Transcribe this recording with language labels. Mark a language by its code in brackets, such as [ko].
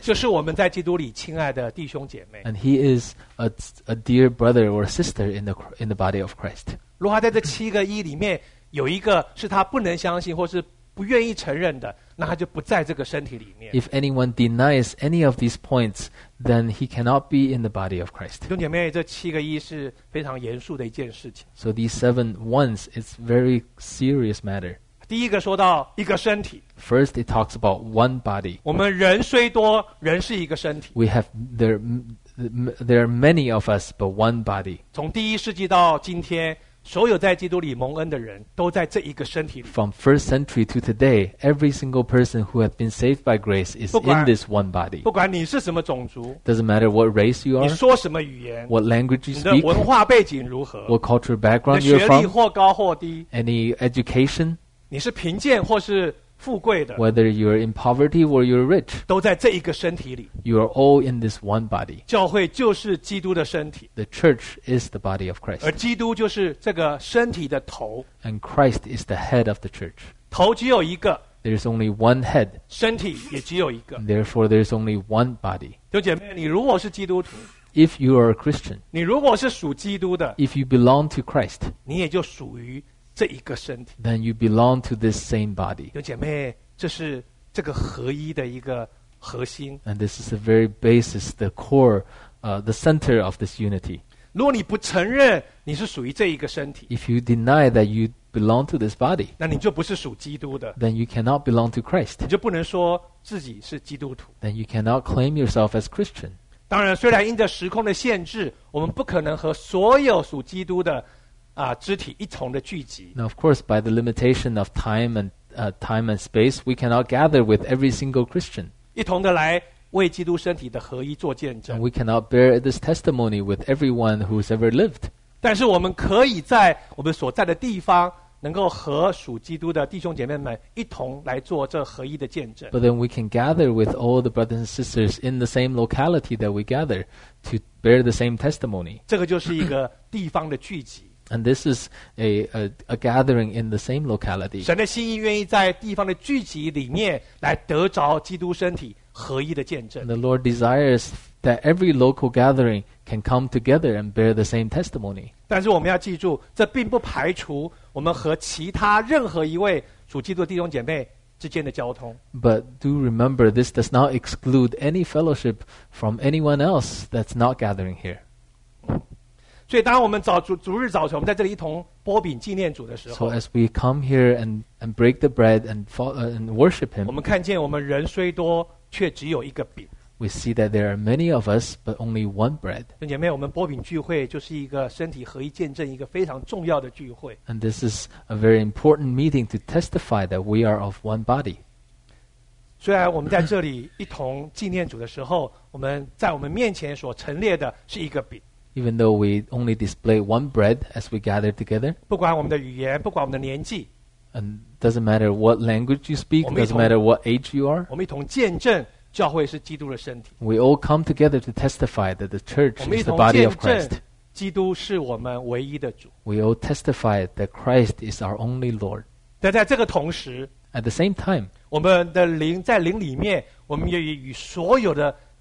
[zh] 就是我们在基督里亲爱的弟兄姐妹。 [en] And he is a dear brother or sister in the body of Christ. [zh] 如果他在这七个一里面有一个是他不能相信或是不愿意承认的，那他就不在这个身体里面。 [en] If anyone denies any of these points, then he cannot be in the body of Christ. [zh] 弟兄姐妹，这七个一是非常严肃的一件事情。 [en] So these seven ones is very serious matter. [zh] 第一个说到一个身体。 [en] First, it talks about one body. [zh] 我们人虽多，人是一个身体。 [en] We have there are many of us, but one body. [zh] 从第一世纪到今天。所有在基督里蒙恩的人都在这一个身体里。 [en] From first century to today, every single person who has been saved by grace is in this one body. [zh] 不管你是什么种族。 [en] Doesn't matter what race you are. [zh] 你说什么语言。 [en] What language you speak. [zh] 你的文化背景如何。 [en] What cultural background you're from. [zh] 你学历或高或低。 [en] Any education. [zh] 你是贫贱或是富贵的。 [en] Whether you're in poverty or you're rich. [zh] 都在这一个身体里。 [en] You are all in this one body. [zh] 教会就是基督的身体。 [en] The church is the body of Christ. [zh] 而基督就是这个身体的头。 [en] And Christ is the head of the church. [zh] 头只有一个。 [en] There's only one head. [zh] 身体也只有一个。 [en] Therefore, there's only one body. [zh] 弟兄姐妹，你如果是基督徒。 [en] If you are a Christian. [zh] 你如果是属基督的。 [en] If you belong to Christ. [zh] 你也就属于这一个身体。 [en] Then you belong to this same body. [zh] 有姐妹，这是这个合一的一个核心。 [en] And this is the very basis, the core, the center of this unity. [zh] 如果你不承认你是属于这一个身体。 [en] If you deny that you belong to this body. [zh] 那你就不是属基督的。 [en] Then you cannot belong to Christ. [zh] 你就不能说自己是基督徒。 [en] Then you cannot claim yourself as Christian. [zh] 当然，虽然因着时空的限制，我们不可能和所有属基督的肢体一同的聚集。 [en] Now, of course, by the limitation of time and space, we cannot gather with every single Christian. [zh] 一同的来为基督身体的合一做见证。 [en] And we cannot bear this testimony with everyone who has ever lived. [zh] 但是我们可以在我们所在的地方能够和属基督的弟兄姐妹们一同来做这合一的见证。 [en] But then we can gather with all the brothers and sisters in the same locality that we gather to bear the same testimony. [zh] 这个就是一个地方的聚集。 [en] And this is a gathering in the same locality. [zh] 神的心意愿意在地方的聚集里面来得着基督身体合一的见证。 [en] And the Lord desires that every local gathering can come together and bear the same testimony. [zh] 但是我们要记住，这并不排除我们和其他任何一位属基督的弟兄姐妹之间的交通。 [en] But do remember, this does not exclude any fellowship from anyone else that's not gathering here. [zh] 所以当我们主日早晨我们在这里一同擘饼纪念主的时候， [en] So as we come here and break the bread and worship him, [zh] 我们看见我们人虽多却只有一个饼。 [en] We see that there are many of us but only one bread. [zh] 弟兄姐妹，我们擘饼聚会就是一个身体合一见证一个非常重要的聚会。 [en] And this is a very important meeting to testify that we are of one body. [zh] 虽然我们在这里一同纪念主的时候，我们在我们面前所陈列的是一个饼。 [en] Even though we only display one bread as we gather together, [zh] 不管我们的语言, 不管我们的年纪, [en] and doesn't matter what language you speak, [zh] 我们一同, [en] doesn't matter what age you are, [zh] 我们一同见证, 教会是基督的身体, [en] we all come together to testify that the church is the body of Christ. [zh] 基督是我们唯一的主, [en] we all testify that Christ is our only Lord. [zh] 但在这个同时, [en] at the same time, [zh] 我们的灵, 在灵里面, 我们也与所有的